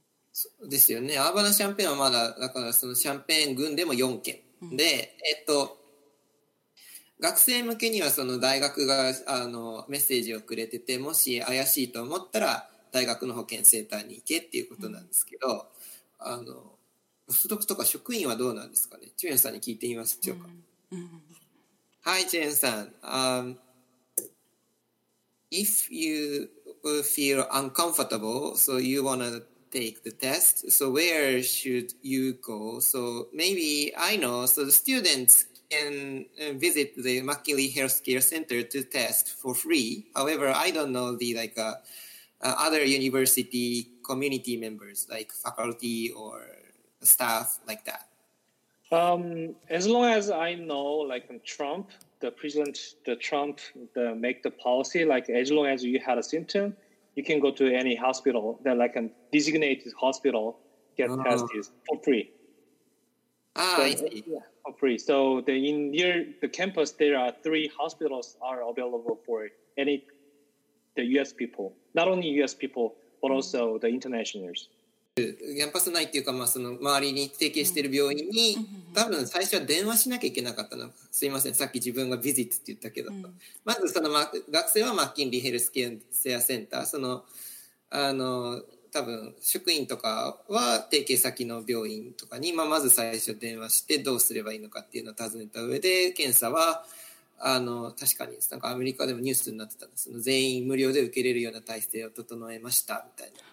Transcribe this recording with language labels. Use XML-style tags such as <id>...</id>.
<ja>そうですよねアバナシャンペンはまだだからそのシャンペン群でも4件、うん、で学生向けにはその大学がメッセージをくれててもし怪しいと思ったら大学の保健センターに行けっていうことなんですけど、うん、ポスドクとか職員はどうなんですかねチュエンさんに聞いてみますでしょうか、うん</ja> <en>Hi, Jen-san. If you feel uncomfortable, so you want to take the test, so where should you go? So maybe I know, so the students can visit the McKinley Healthcare Center to test for free. However, I don't know the other university community members, like faculty or staff like that. As long as I know, Trump... President Trump make the policy as long as you had a symptom, you can go to any hospital that a designated hospital get tested for free. For free. So near the campus, there are three hospitals are available for any the U.S. people, not only U.S. people, but also the internationals.</en> <ja>キャンパス内っていうか、まあ、その周りに提携している病院に多分最初は電話しなきゃいけなかったのかすいませんさっき自分がビジットって言ったけど、うん、まずその学生はマッキンリーヘルスケアセンターその多分職員とかは提携先の病院とかに、まあ、まず最初電話してどうすればいいのかっていうのを尋ねた上で検査は確かになんかアメリカでもニュースになってたんですその全員無料で受けれるような体制を整えましたみたいな</ja>